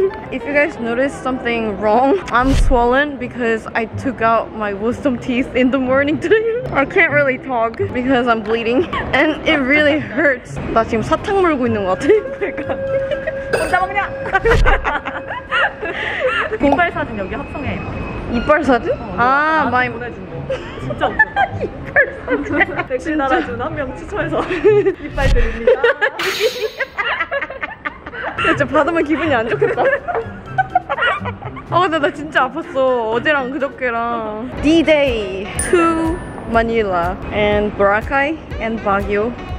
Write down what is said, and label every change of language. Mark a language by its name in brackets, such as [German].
[English] If you guys noticed something wrong, I'm swollen because I took out my wisdom teeth in the morning today. I can't really talk because I'm bleeding and it really hurts. [Korean] 나 지금 사탕 물고 있는 것 같아. 그러니까. 혼자 먹냐? 이빨 사진 여기 합성해. 이빨 사진? 아, 많이 보내준 거. 진짜 이빨 사진. 댓글 달아준 한 명 추천해서 이빨 드립니다. 진짜 받으면 기분이 안 좋겠다. 아 근데 나 진짜 아팠어. 어제랑 그저께랑. [English] D-Day to Manila and Boracay and Baguio.